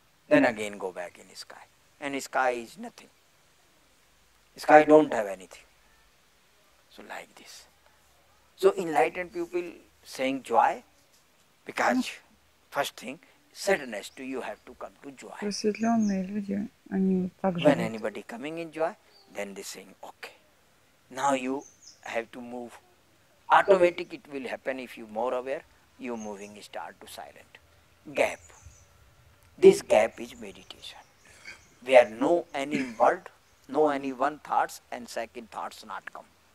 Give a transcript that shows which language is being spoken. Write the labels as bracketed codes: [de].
[en] Then again go back in the sky. And sky is nothing. Sky don't have anything. So like this. So enlightened people saying joy, because first thing, sadness to you have to come to joy. [ru] Просветленные люди, они также. [en] When anybody coming in joy, then they saying okay. Now you have to move. Automatic it will happen if you more aware. You moving start to silent. Gap. This gap is meditation. Where no any word, no any one thoughts and second thoughts not come.